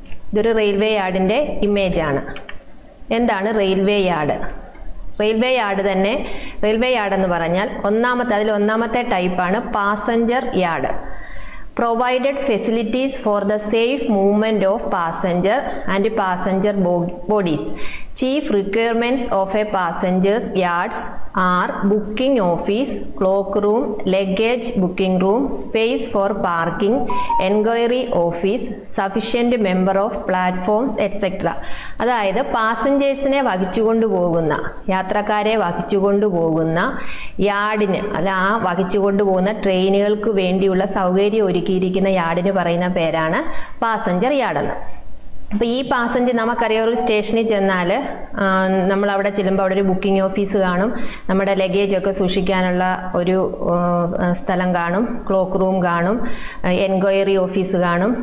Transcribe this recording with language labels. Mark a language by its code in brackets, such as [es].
[ml] ഇതൊരു റെയിൽവേ യാർഡിൻ്റെ ഇമേജാണ്. എന്താണ് railway yard? Railway yard തന്നെ, റെയിൽവേ യാർഡ് എന്ന് പറഞ്ഞാൽ അതിലൊന്നാമത്തെ ടൈപ്പാണ് passenger yard. [en] Provided facilities for the safe movement of passenger and passenger bodies. Chief requirements of a passenger's yards are booking office, cloak room, luggage booking room, space for parking, enquiry office, sufficient member of platforms, etc. [ml] അതായത് പാസഞ്ചേഴ്സിനെ വഹിച്ചുകൊണ്ട് പോകുന്ന, യാത്രക്കാരെ വഹിച്ചുകൊണ്ട് പോകുന്ന യാർഡിന്, അല്ല ആ വഹിച്ചുകൊണ്ട് പോകുന്ന ട്രെയിനുകൾക്ക് വേണ്ടിയുള്ള സൗകര്യം ഒരുക്കിയിരിക്കുന്ന യാർഡിന് പറയുന്ന പേരാണ് പാസഞ്ചർ യാർഡ് എന്ന്. അപ്പോൾ ഈ പാസഞ്ചർ നമുക്കറിയാം, ഒരു സ്റ്റേഷനിൽ ചെന്നാൽ നമ്മൾ അവിടെ ചെല്ലുമ്പോൾ അവിടെ ഒരു ബുക്കിംഗ് ഓഫീസ് കാണും, നമ്മുടെ ലഗേജൊക്കെ സൂക്ഷിക്കാനുള്ള ഒരു സ്ഥലം കാണും, ക്ലോക്ക് റൂം കാണും, എൻക്വയറി ഓഫീസ് കാണും.